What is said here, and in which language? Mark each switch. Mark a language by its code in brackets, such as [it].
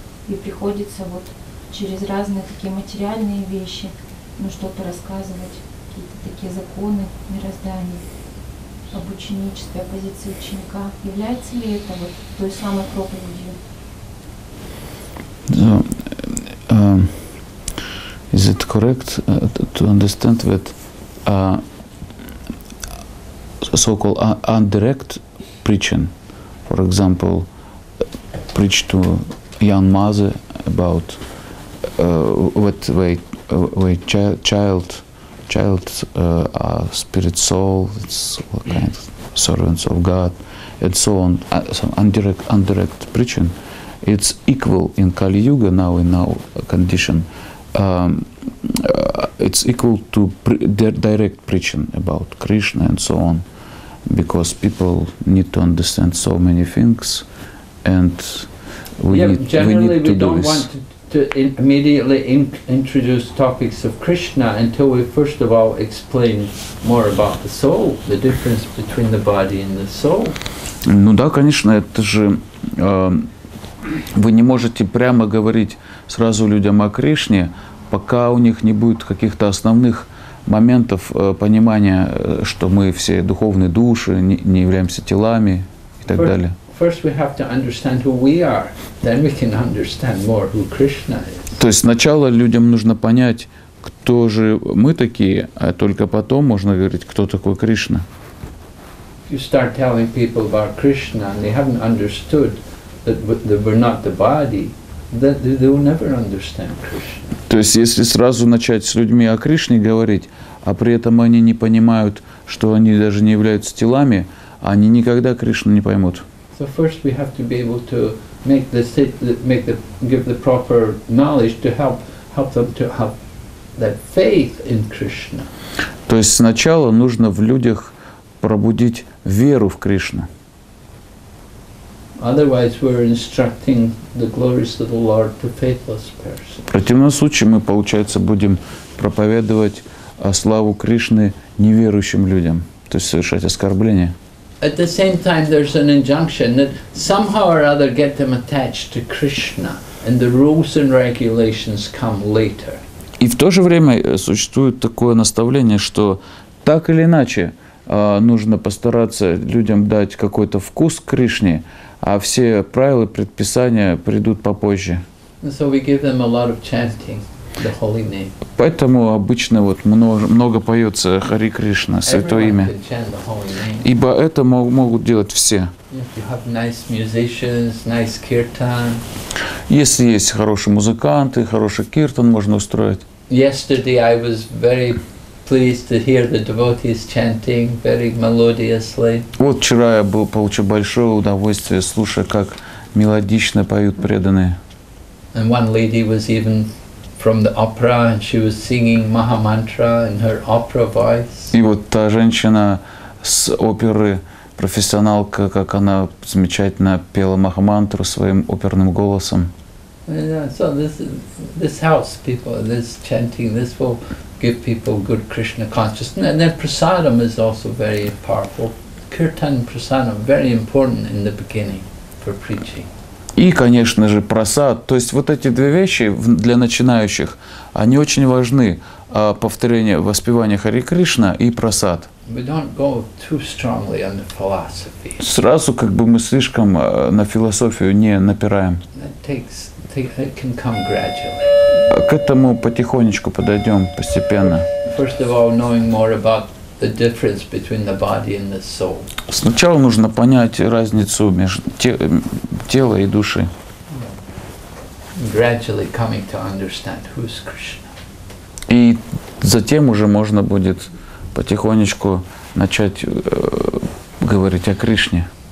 [ru] И приходится вот через разные такие материальные вещи, ну что-то рассказывать, какие-то такие законы мироздания, об ученичестве, о позиции ученика. Является ли это вот той самой проповедью? Да. [en] Is it correct to understand that so-called indirect preaching, for example, preach to young mother about what way child spirit soul, it's what kind of servants of God, and so on, some indirect preaching, it's equal in Kali Yuga now in our condition. It's equal to direct preaching about Krishna and so on, because people need to understand so many things, and we don't want to immediately introduce topics of Krishna until we first of all explain more about the soul, the difference between the body and the soul. [ru] Ну да, конечно, это же вы не можете прямо говорить сразу людям о Кришне, пока у них не будет каких-то основных моментов понимания, что мы все духовные души, не являемся телами и так далее. [en] First we have to understand who we are, then we can understand more who Krishna is. [ru] То есть сначала людям нужно понять, кто же мы такие, а только потом можно говорить, кто такой Кришна. [en] You start telling people about Krishna and they haven't understood that we're not the body, that they will never understand Krishna. [ru] То есть, если сразу начать с людьми о Кришне говорить, а при этом они не понимают, что они даже не являются телами, они никогда Кришну не поймут. [en] So first we have to be able to give the proper knowledge to help them to have that faith in Krishna. [ru] То есть сначала нужно в людях пробудить веру в Кришну. [en] Otherwise, we're instructing the glories of the Lord to faithless persons. [ru] В противном случае мы, получается, будем проповедовать славу Кришны неверующим людям, то есть совершать оскорбление. [en] At the same time, there's an injunction that somehow or other get them attached to Krishna, and the rules and regulations come later. [ru] И в то же время существует такое наставление, что так или иначе нужно постараться людям дать какой-то вкус к Кришне. А все правила, предписания придут попозже. [en] So we give them a lot of chanting, the holy name. [ru] Поэтому обычно вот много поется Хари Кришна, Святое имя. [en] Everyone can chant the holy name. [ru] Ибо это могут делать все. [en] If you have nice musicians, nice kirtan. [ru] Если есть хорошие музыканты, хороший киртан можно устроить. [en] Yesterday I was very pleased to hear the devotees chanting very melodiously. [ru] Вот вчера я получил большое удовольствие, слушая, как мелодично поют преданные. [en] And one lady was even from the opera, and she was singing Mahamantra in her opera voice. [ru] И вот та женщина с оперы, профессионалка, как она замечательно пела Махамантру своим оперным голосом. [en] Yeah, so this house, people, this chanting, this will give people good Krishna consciousness. And then prasadam is also very powerful. Kirtan prasadam very important in the beginning for preaching. [ru] И, конечно же, прасад. То есть вот эти две вещи для начинающих, они очень важны. Повторение, воспевание Хари Кришна и прасад. [en] We don't go too strongly on the philosophy. [ru] Сразу как бы мы слишком на философию не напираем. [en] It can come gradually. [ru] К этому потихонечку подойдем, постепенно. [en] First of all, knowing more about the difference between the body and the soul. [ru] Сначала нужно понять разницу между телом и душой. [en] Gradually coming to understand who's Krishna. [ru] И затем уже можно будет потихонечку начать говорить о Кришне.